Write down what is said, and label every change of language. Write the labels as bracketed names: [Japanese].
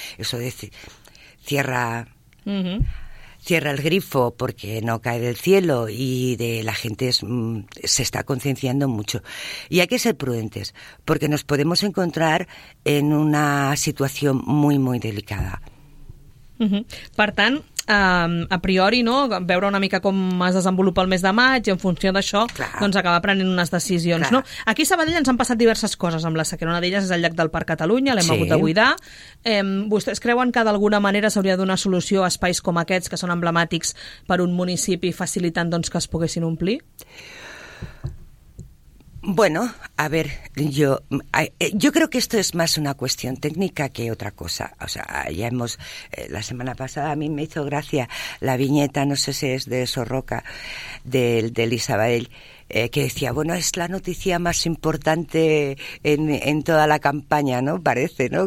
[Spanish] Eso de cierra, cierra el grifo porque no cae del cielo, y de la gente se está concienciando mucho. Y hay que ser prudentes porque nos podemos encontrar en una situación muy, muy delicada. [Catalan] Per tant... a priori, no? Veure una mica com es desenvolupa el mes de maig i en funció d'això, doncs acaba prenent unes decisions. No? Aquí a Sabadell ens han passat diverses coses amb la sequera. Una d'elles és el llac del Parc Catalunya, l'hem hagut de buidar. Vostès creuen que d'alguna manera s'hauria de donar solució a espais com aquests, que són emblemàtics per un municipi, facilitant doncs que es poguessin omplir? [Spanish] Bueno, a ver, yo creo que esto es más una cuestión técnica que otra cosa. O sea, ya hemos, la semana pasada a mí me hizo gracia la viñeta, no sé si es de Sorroca, del Isabel, que decía, bueno, es la noticia más importante en toda la campaña, ¿no? Parece, ¿no?